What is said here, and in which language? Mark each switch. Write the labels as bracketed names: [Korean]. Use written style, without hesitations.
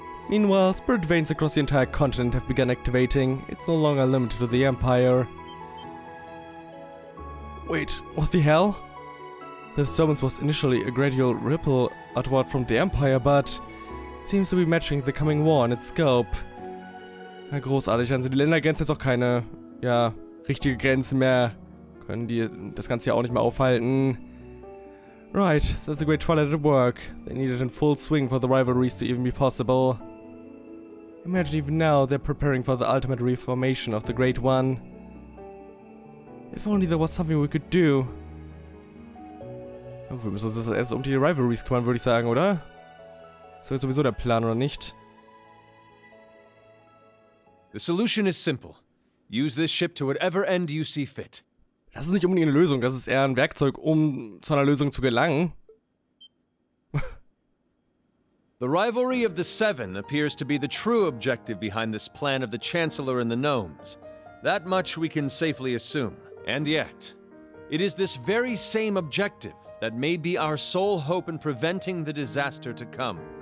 [English] Meanwhile, spirit veins across the entire continent have begun activating. It's no longer limited to the Empire. Wait, what the hell? The disturbance was initially a gradual ripple outward from the Empire, but seems to be matching the coming war in its scope. [German] Na großartig, also die Ländergrenzen jetzt auch keine, ja, richtige Grenze mehr. Können die das Ganze ja auch nicht mehr aufhalten. [English] Right, that's a great twilight at work. They needed in full swing for the rivalries to even be possible. Imagine even now they're preparing for the ultimate reformation of the Great One. If only there was something we could do. [German] Wir müssen uns erst um die Rivalries kümmern, würde ich sagen, oder? So ist sowieso der Plan, oder nicht? [English] The solution is simple. Use this ship to whatever end you see fit. [German] Das ist nicht unbedingt eine Lösung, das ist eher ein Werkzeug, um zu einer Lösung zu gelangen. [English] The rivalry of the Seven appears to be the true objective behind this plan of the Chancellor and the Gnomes. That much we can safely assume. And yet, it is this very same objective that may be our sole hope in preventing the disaster to come.